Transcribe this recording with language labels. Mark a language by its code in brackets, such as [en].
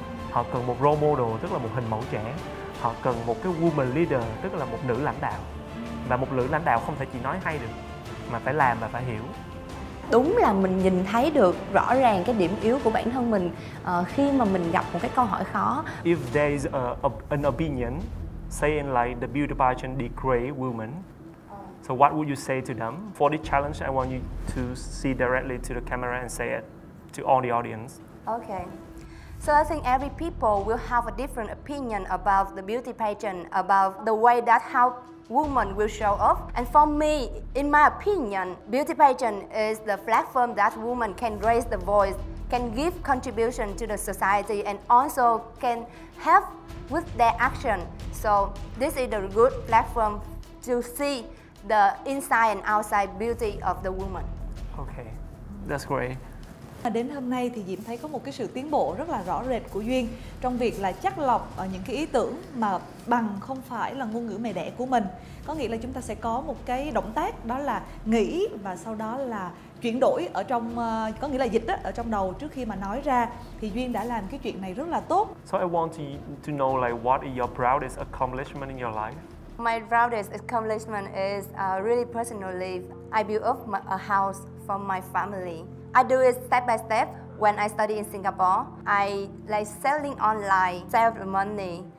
[vi] Họ cần một role model, tức là một hình mẫu trẻ. Họ cần một cái woman leader, tức là một nữ lãnh đạo. Và một nữ lãnh đạo không thể chỉ nói hay được, mà phải làm và phải hiểu. Đúng là mình nhìn thấy được rõ ràng cái điểm yếu của bản thân mình khi mà mình gặp một cái câu hỏi khó. [en] If there is an opinion saying like the beauty pageant degrade women, so what would you say to them? For this challenge, I want you to see directly to the camera and say it to all the audience. Okay. So I think every people will have a different opinion about the beauty pageant, about the way that how women will show up. And for me, in my opinion, beauty pageant is the platform that women can raise the voice, can give contribution to the society, and also can help with their action. So this is a good platform to see the inside and outside beauty of the woman. Okay, that's great. [vi] Đến hôm nay thì Diễm thấy có một cái sự tiến bộ rất là rõ rệt của Duyên trong việc là chắt lọc những cái ý tưởng mà bằng không phải là ngôn ngữ mẹ đẻ của mình. Có nghĩa là chúng ta sẽ có một cái động tác đó là nghĩ và sau đó là chuyển đổi ở trong, có nghĩa là dịch đó, ở trong đầu trước khi mà nói ra. Thì Duyên đã làm cái chuyện này rất là tốt. [en] So I want to know like what is your proudest accomplishment in your life? My proudest accomplishment is really personally, I built up a house for my family. I do it step by step. When I study in Singapore, I like selling online, save the money.